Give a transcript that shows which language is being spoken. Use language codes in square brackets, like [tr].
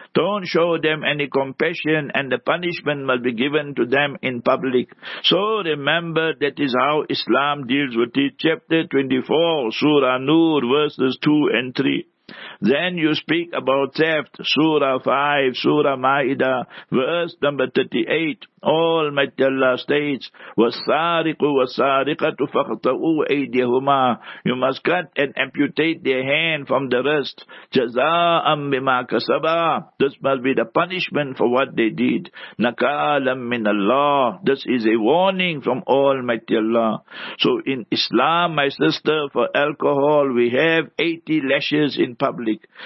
[en] Don't show them any compassion, and the punishment must be given to them in public. So remember, that is how Islam deals with it. Chapter 24, Surah Nur, verses 2 and 3. Then you speak about theft, Surah 5, Surah Ma'idah, verse number 38. Almighty Allah states, [ar] وَالسَّارِقُ وَالسَّارِقَةُ فَخْتَعُوا أَيْدِيَهُمَا. [en] You must cut and amputate their hand from the wrist. [ar] جَزَاءً بِمَا كَسَبَا. [en] This must be the punishment for what they did. [ar] نَكَالًا مِّنَ اللَّهِ. [en] This is a warning from Almighty Allah. So in Islam, my sister, for alcohol, we have 80 lashes in public.